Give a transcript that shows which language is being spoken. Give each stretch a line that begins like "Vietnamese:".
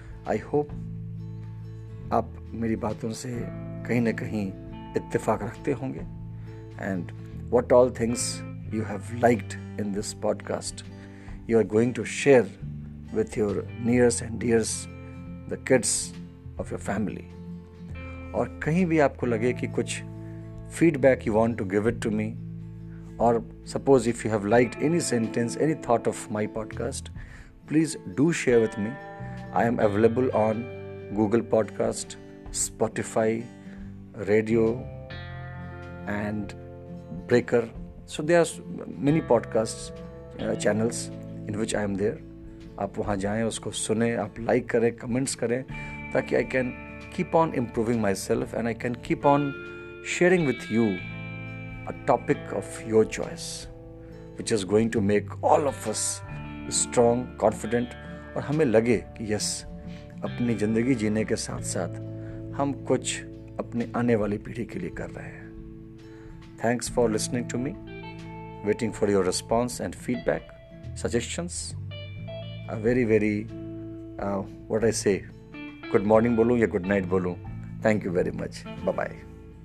English: I hope
Hindi: आप मेरी बातों से कहीं ना कहीं इत्तेफाक रखते होंगे
English: And what all things you have liked in this podcast you are going to share with your nearest and dearest, the kids of your family.
Hindi: और कहीं भी आपको लगे कि कुछ
English: Feedback you want to give it to me, or suppose if you have liked any sentence, any thought of my podcast, please do share with me. I am available on Google Podcast, Spotify, Radio, and Breaker. So there are many podcasts, channels in which I am there.
Hindi: आप वहाँ जाएँ, उसको सुने, आप like करें, comments करें, ताकि
English: I can keep on improving myself and I can keep on sharing with you a topic of your choice which is going to make all of us strong, confident,
Hindi: और हमें लगे कि yes, अपनी ज़िंदगी जीने के साथ साथ हम कुछ अपने आने वाली पीढ़ी के लिए कर रहे हैं.
English: Thanks for listening to me, waiting for your response and feedback, suggestions. A very, very, what I say, good morning
Hindi: bolu ya
English: good night bolu. Thank you very much. Bye-bye.